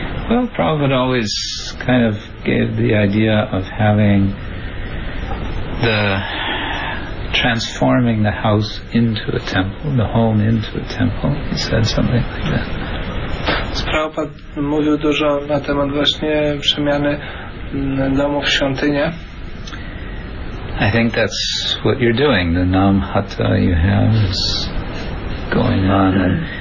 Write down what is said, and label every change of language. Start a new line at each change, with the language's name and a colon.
English: Well, Prabhupada always kind of gave the idea of having the transforming the house into a temple, the home into a temple. He said something like that.
Polish: Prabhupada mówił dużo na temat właśnie przemiany domu w świątynię.
English: I think that's what you're doing. The Nam Hatha you have is going on.